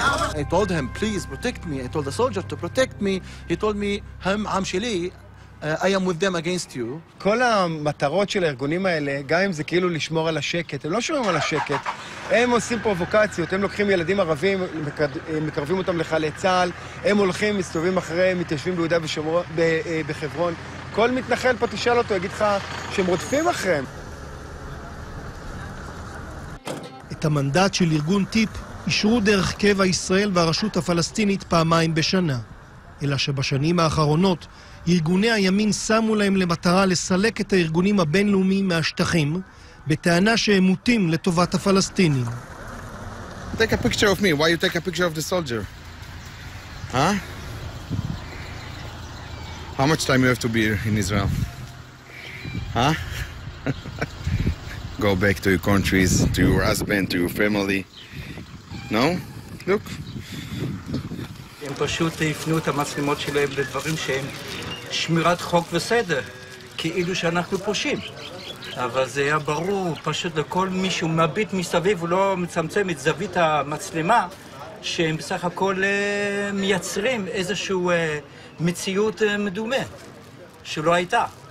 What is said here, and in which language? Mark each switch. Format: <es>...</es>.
<en>I told him, please protect me. I told the soldier to protect me. He told me,</en> <he>הם עם שלי.</he> <en>I am with them against you.</en> <he>כל המטרות של הארגונים האלה, גם אם זה כאילו לשמור על השקט, הם לא שומרים על השקט, הם עושים פרובוקציות, הם לוקחים ילדים ערבים, מקרבים אותם לחיילי צה"ל, הם הולכים, מסתובבים אחרי, מתיישבים ביהודה בחברון. כל מתנחל פה תשאל אותו, יגיד לך שהם רודפים אחריהם. את המנדט של ארגון טיפ אישרו דרך קבע ישראל והרשות הפלסטינית פעמיים בשנה. אלא שבשנים האחרונות, ארגוני הימין שמו להם למטרה לסלק את הארגונים הבינלאומיים מהשטחים בטענה שהם מוטים לטובת הפלסטינים.</he> <en>Take a picture of me. Why you take a picture of the soldier? Huh? How much time you have to be here in Israel? Huh? Go back to your countries, to your husband, to your family. No? Look.</en> <he>הם פשוט הפנו את המצלמות שלהם לדברים שהם שמירת חוק וסדר, כאילו שאנחנו פושעים. אבל זה היה ברור, פשוט לכל מי שהוא מביט מסביב, הוא לא מצמצם את זווית המצלמה, שהם בסך הכל מייצרים איזושהי מציאות מדומה, שלא הייתה.</he>